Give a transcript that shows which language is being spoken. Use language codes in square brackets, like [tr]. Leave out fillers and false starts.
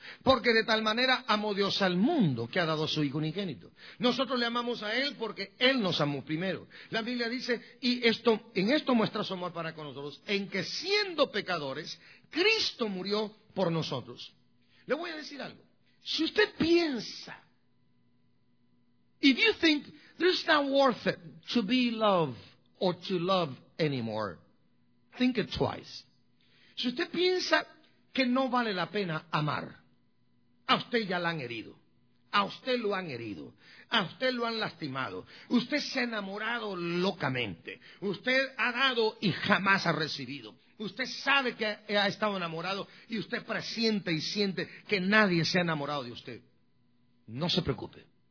[es] Porque de tal manera amó Dios al mundo que ha dado a su Hijo unigénito. Nosotros le amamos a Él porque Él nos amó primero. La Biblia dice, y esto, en esto muestra su amor para con nosotros, en que siendo pecadores, Cristo murió por nosotros. Le voy a decir algo. Si usted piensa, [en] if you think there's not worth it to be loved or to love anymore, think it twice. [es] Si usted piensa que no vale la pena amar, a usted ya la han herido, a usted lo han herido, a usted lo han lastimado, usted se ha enamorado locamente, usted ha dado y jamás ha recibido, usted sabe que ha estado enamorado y usted presiente y siente que nadie se ha enamorado de usted. No se preocupe.